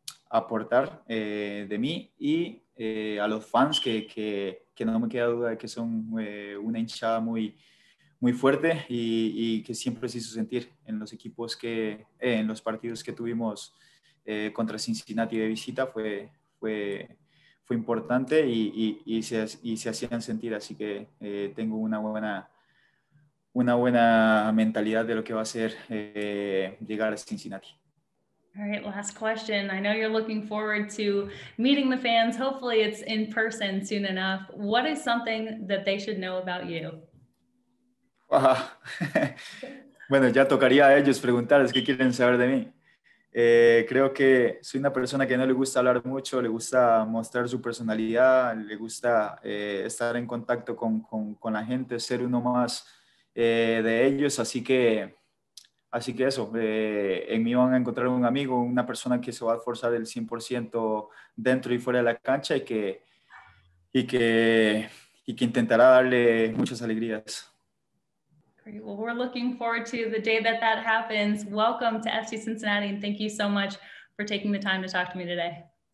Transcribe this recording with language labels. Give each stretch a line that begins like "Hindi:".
Spanish: aportar de mí y a los fans que no me queda duda de que son una hinchada muy muy fuerte y que siempre se hizo sentir en los equipos en los partidos que tuvimos contra Cincinnati de visita fue importante y se hacían sentir, así que tengo una buena mentalidad de lo que va a ser llegar a Cincinnati.
English: All right, last question. I know you're looking forward to meeting the fans. Hopefully it's in person soon enough. What is something that they should know about you?
Spanish: Bueno, ya tocaría a ellos preguntarles qué quieren saber de mí. Creo que soy una persona que no le gusta hablar mucho, le gusta mostrar su personalidad, le gusta estar en contacto con la gente, ser uno más de ellos. Así que eso, en mí van a encontrar un amigo, una persona que se va a esforzar el 100% dentro y fuera de la cancha y que intentará darle muchas alegrías.
English: Well, we're looking forward to the day that happens. Welcome to FC Cincinnati, and thank you so much for taking the time to talk to me today.